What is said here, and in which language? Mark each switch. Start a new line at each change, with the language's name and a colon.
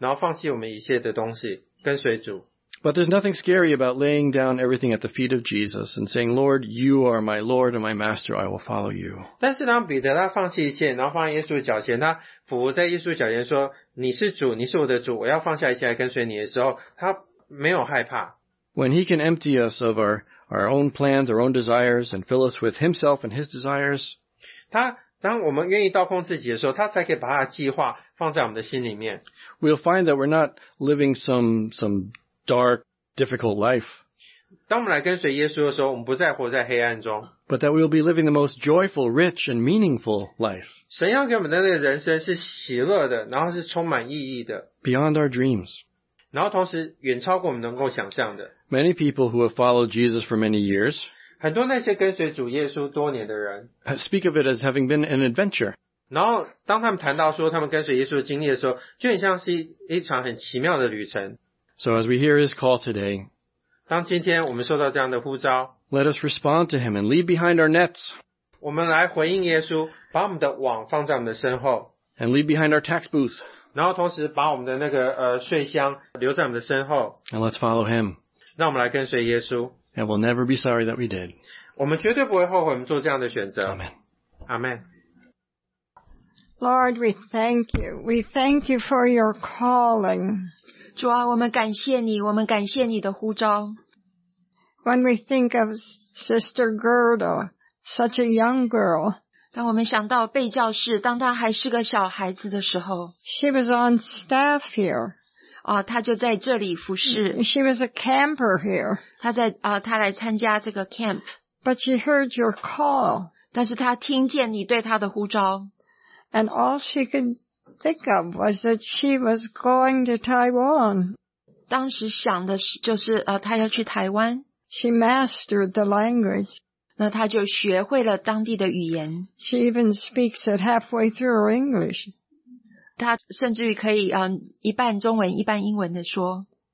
Chinese: 有些时候听起来这有点让人家会害怕，就是说我们必须要向自己死，然后放弃我们一切的东西，跟随主。
English: But there's nothing scary about laying down everything at the feet of Jesus and saying, Lord, you are my Lord and my Master, I will follow you.
Chinese: 但是当彼得他放弃一切，然后放在耶稣脚前，他俯伏在耶稣脚前说，你是主，你是我的主，我要放下一切来跟随你的时候，他没有害怕。
English: When he can empty us of our own plans, our own desires, and fill us with himself and his desires,
Chinese: 当我们愿意倒空自己的时候，他才可以把他的计划放在我们的心里面。
English: We'll find that we're not living some dark, difficult life.
Chinese: 当我们来跟随耶稣的时候，我们不再活在黑暗中。
English: But that we'll be living the most joyful, rich, and meaningful life.
Chinese: 神要给我们的那个人生是喜乐的，然后是充满意义的。
English: Beyond our dreams.
Chinese: 然后同时远超过我们能够想象的。
English: Many people who have followed Jesus for many years
Chinese: 很多那些跟随主耶稣多年的人
English: speak of it as having been an adventure.
Chinese: 然后当他们谈到说他们跟随耶稣的经历的时候 就很像是一场很奇妙的旅程。
English: So as we hear his call today
Chinese: 当今天我们受到这样的呼召
English: let us respond to him and leave behind our nets
Chinese: 我们来回应耶稣 把我们的网放在我们的身后
English: and leave behind our tax booth
Chinese: 然后同时把我们的那个税箱留在我们的身后
English: and let's follow him
Chinese: 让我们来跟随耶稣
English: and we'll never be sorry that we did
Chinese: 我们绝对不会后悔我们做这样的选择
English: Amen. Amen Lord we thank you for your calling
Chinese: 主啊我们感谢你的呼召
English: when we think of Sister Gerda such a young girl
Chinese: 当我们想到贝教士，当她还是个小孩子的时候
English: She was on staff here
Chinese: 她就在这里服侍
English: She was a camper here
Chinese: 她来参加这个camp
English: But she heard your call
Chinese: 但是她听见你对她的呼召
English: And all she could think of was that she was going to Taiwan
Chinese: 当时想的就是她要去台湾
English: She mastered the language
Chinese: 那他就学会了当地的语言
English: She even speaks it halfway through her English
Chinese: 他甚至于可以 一半中文一半英文的说